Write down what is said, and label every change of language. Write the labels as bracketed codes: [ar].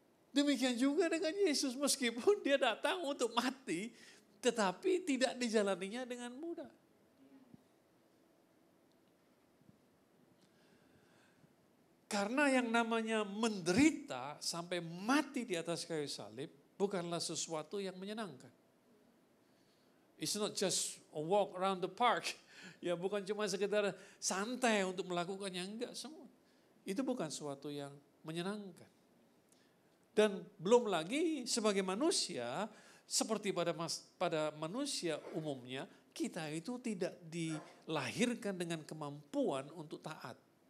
[id] Demikian juga dengan Yesus, meskipun dia datang untuk mati, tetapi tidak dijalaninya dengan mudah. Karena yang namanya menderita sampai mati di atas kayu salib bukanlah sesuatu yang menyenangkan. [en] It's not just a walk around the park. [id] Ya, bukan cuma sekedar santai untuk melakukannya, enggak semua. Itu bukan sesuatu yang menyenangkan. Dan belum lagi sebagai manusia, seperti pada manusia umumnya, kita itu tidak dilahirkan dengan kemampuan untuk taat.